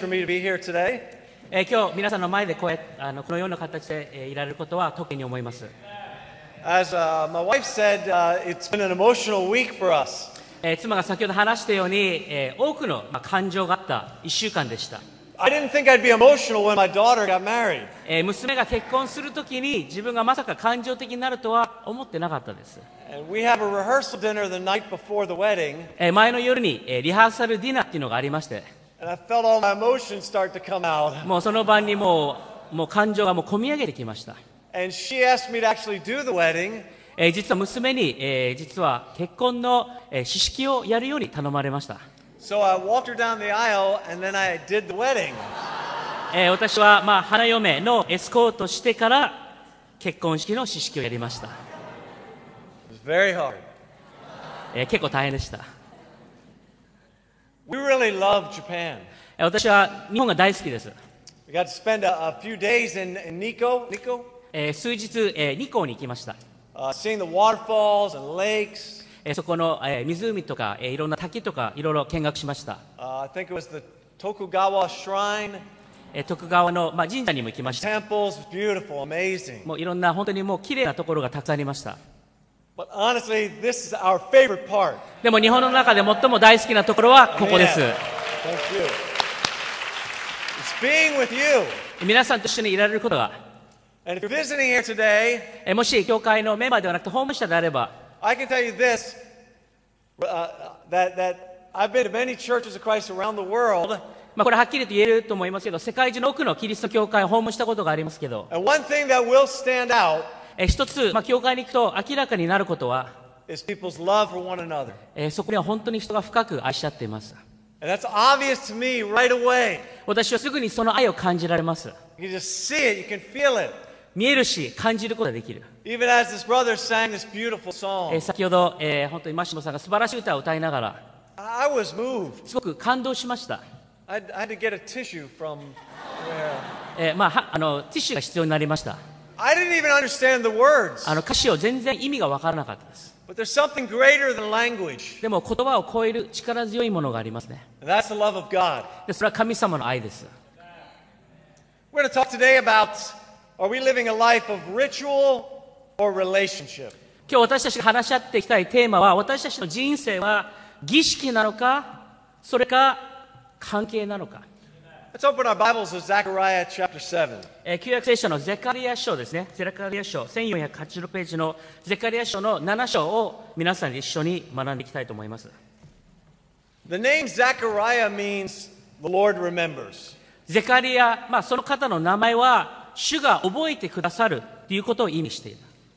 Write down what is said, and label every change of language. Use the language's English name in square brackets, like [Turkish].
[Japanese] 今日皆さんの前でこうやってこのような形でいられることは特に思います。 [English] my wife said, it's been an emotional week for us. [Japanese] 妻が先ほど話したように、多くの感情があった1週間でした。 [English] I didn't think I'd be emotional when my daughter got married. [Japanese] 娘が結婚するときに自分がまさか感情的になるとは思ってなかったです。 [English] And we have a rehearsal dinner the night before the wedding. [Japanese] 前の夜にリハーサルディナーっていうのがありまして。 [English] And I felt all my emotions start to come out. [Japanese] もうその晩にもう感情がもう込み上げてきました。 [English] And she asked me to actually do the wedding. [Japanese] 実は娘に実は結婚の式をやるように頼まれました。 [English] So I walked her down the aisle and then I did the wedding. [Japanese] 私は、まあ、花嫁のエスコートしてから結婚式の式をやりました。 [English] It was very hard. [Japanese] 結構大変でした。 [English] We really love Japan. [Japanese] 私は日本が大好きです。 [English] We got to spend a few days in Nikko. Nikko? [Japanese] 数日、日光に行きました。 [English] Seeing the waterfalls and lakes. [Japanese] そこの湖とかいろんな滝とかいろいろ見学しました。 [English] I think it was the Tokugawa Shrine. [Japanese] 徳川の、まあ、神社にも行きました。 [English] Temples, beautiful, amazing. [Japanese] もういろんな本当にもう綺麗なところがたくさんありました。 [English] But honestly, this is our favorite part. [Japanese] でも日本の中で最も大好きなところはここです。 [English] Thank you. It's being with you. [Japanese] 皆さんと一緒にいられることが。 [English] And if you're visiting here today, [Japanese] もし教会のメンバーではなくて訪問者であれば、 [English] I can tell you this, that I've been to many churches of Christ around the world. [Japanese] まあこれはっきりと言えると思いますけど、世界中の多くのキリスト教会を訪問したことがありますけど。 [English] And one thing that will stand out, [Japanese] 一つ、まあ教会に行くと明らかになることは、 [English] is people's love for one another. [Japanese] そこには本当に人が深く愛し合っています。 [English] And that's obvious to me right away. [Japanese] 私はすぐにその愛を感じられます。 [English] You can just see it, you can feel it. [Japanese] 見えるし感じることができる。 [English] Even as this brother sang this beautiful song, [Japanese] 先ほど、本当にマシモさんが素晴らしい歌を歌いながら、 [English] I was moved. [Japanese] すごく感動しました。 [English] I had to get a tissue from where... [Japanese] まあ、ティッシュが必要になりました。 [English] I didn't even understand the words. [Japanese] 歌詞を全然意味が分からなかったです。 [English] But there's something greater than language. [Japanese] でも言葉を超える力強いものがありますね。 [English] And that's the love of God. [Japanese] でそれは神様の愛です。 [English] We're going to talk today aboutAre we living a life of ritual or relationship? [Japanese] 今日私たちが話し合っていきたいテーマは、私たちの人生は儀式なのか、それか関係なのか。 [English] Let's open our Bibles to Zechariah chapter 7. [Japanese] 旧約聖書のゼカリア書ですね。ゼカリア書1486ページのゼカリア書の7章を皆さん一緒に学んでいきたいと思います。 [English] The name Zechariah means the Lord remembers. [Japanese] ゼカリア、まあその方の名前は主が覚えてくださるということを意味しています